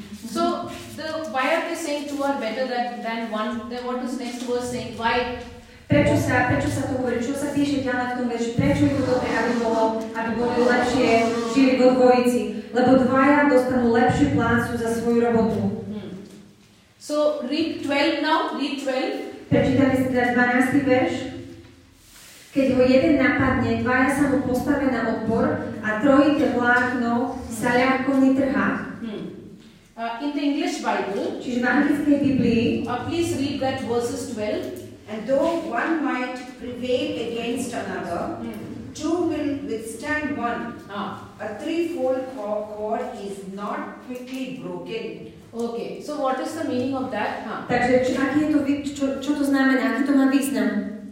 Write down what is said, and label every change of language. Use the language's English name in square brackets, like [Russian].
[English] So, why are they saying two are better than one? Then what is next verse saying? Why? [Slovak] Prečo sa to hovorí? Čo sa píše ďalej v tom verši? Prečo je to dobré, aby boli lepšie žili vo dvojici? Lebo dvaja dostanú lepšiu plácu za svoju robotu. [English] So, read 12 now. Read 12. [Slovak] Prečítame si teda 12. verš. Keď ho jeden napadne, dvaja sa mu postavia na odpor a trojite vlákno sa ľahko netrhá. [English] In the English Bible, [Slovak] čiže v anglickej Biblii, [English] please read that verses 12. And though one might prevail against another, two will withstand one. A threefold cord is not quickly broken. Okay, so what is the meaning of that? [Slovak] Takže čo to znamená, aký to má význam?